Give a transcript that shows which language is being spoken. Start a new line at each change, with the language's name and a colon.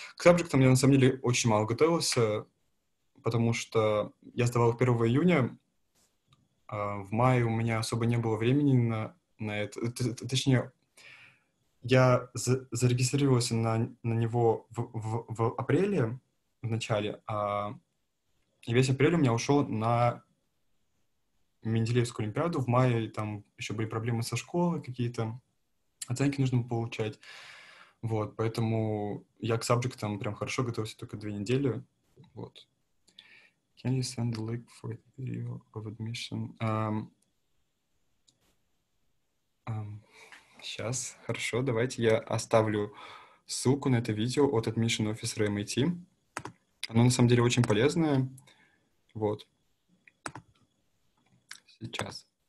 Russian: К сабжектам я, на самом деле, очень мало готовился, потому что я сдавал 1 июня, в мае у меня особо не было времени на это, точнее, я зарегистрировался на него в апреле, в начале, а весь апрель у меня ушел на Менделеевскую олимпиаду, в мае там еще были проблемы со школой какие-то, оценки нужно было получать, вот, поэтому я к сабжектам прям хорошо готовился только 2 недели, вот.
English: Can you send the link for the video of admission?
Russian: Сейчас, хорошо, давайте я оставлю ссылку на это видео от admission officer MIT. Оно на самом деле очень полезное, вот. Сейчас.